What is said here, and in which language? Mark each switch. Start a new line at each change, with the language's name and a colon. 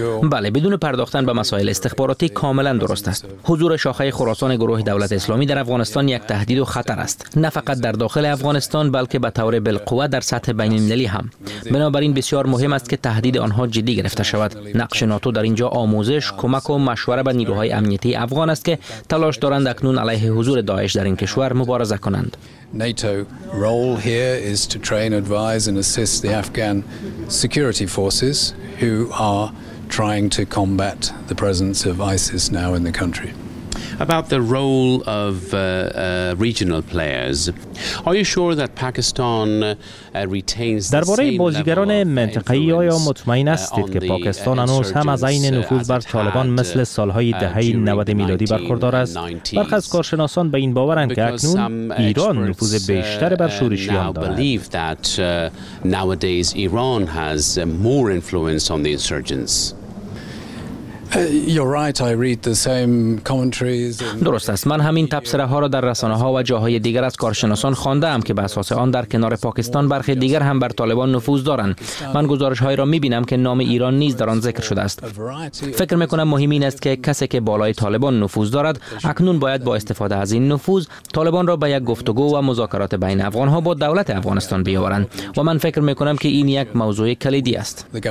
Persian: بله، بدون پرداختن به مسائل استخباراتی کاملا درست است. حضور شاخه خراسان گروه دولت اسلامی در افغانستان یک تهدید و خطر است، نه فقط در داخل افغانستان بلکه به طور بالقوه در سطح بین المللی هم. بنابراین بسیار مهم است که تهدید آنها جدی گرفته شود. نقش ناتو در اینجا آموزش، کمک و مشوره به نیروهای امنیتی افغان است که تلاش دارند اکنون علیه حضور داعش در این کشور مبارزه کنند.
English: NATO role here is to train, advise and assist the Afghan security forces who are trying to combat the presence of ISIS now in the country. About the role of regional players, are you sure that Pakistan retains the same level of influence?
Persian: درباره بازیگران منطقه‌ای آیا مطمئن هستید که پاکستان هنوز هم از عین نفوذ بر طالبان مثل سالهای دهه 90 میلادی برخوردار است؟ برخی از کارشناسان به این باورند که اکنون ایران نفوذ بیشتر بر شورشیان دارد.
English: Believe that nowadays Iran has more influence on the insurgents. You're right, I read the same commentaries.
Persian: درست است. من همین تبصره‌ها را در رسانه‌ها و جاهای دیگر از کارشناسان خوانده‌ام که بر اساس آن در کنار پاکستان برخی دیگر هم بر طالبان نفوذ دارند. من گزارش‌هایی را می‌بینم که نام ایران نیز در آن ذکر شده است. فکر می‌کنم مهم این است که کسی که بالای طالبان نفوذ دارد، اکنون باید با استفاده از این نفوذ طالبان را به یک گفتگو و مذاکرات بین افغان‌ها با دولت افغانستان بیاورند، و من فکر می‌کنم که این یک موضوع کلیدی است.